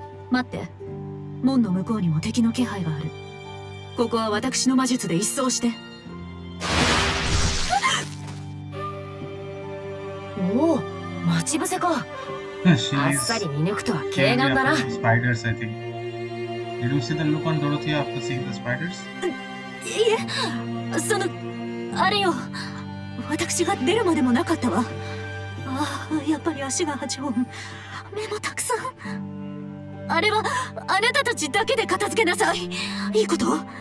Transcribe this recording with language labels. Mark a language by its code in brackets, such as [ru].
[ja] 待って、門の向こうにも敵の気配がある。ここは私の魔術で一掃して。おお、待ち伏せか。あっさり見抜くとは軽眼だな。 [en] スパイダーズ、I think. Did you see the look on Dorothy after seeing the spiders? [ja] いえ、そのあれよ、私が出るまでもなかったわ。ああ、やっぱり足が8本、目もたくさん。あれはあなたたちだけで片付けなさい。いいこと？